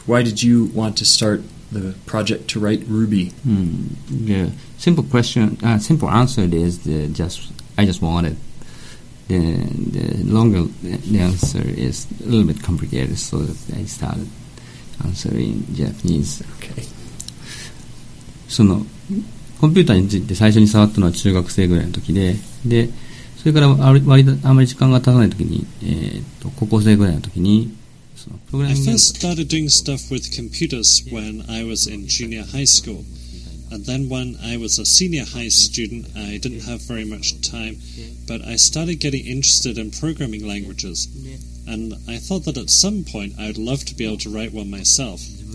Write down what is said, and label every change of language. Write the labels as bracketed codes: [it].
[en] Why did you want to start the project to write Ruby? Simple answer is I just wanted. The longer the answer is a little bit complicated, so I started answering Japanese. Okay. [ja] そのコンピューターについて最初に触ったのは中学生ぐらいの時で、でそれから割とあまり時間が経たない時に、高校生ぐらいの時にそのプログラミング。 [en] I first started doing stuff with computers when I was in junior high school, and then when I was a senior high student, I didn't have very much time, but I started getting interested in programming languages. And I thought that at some point I would love to be able to write one myself.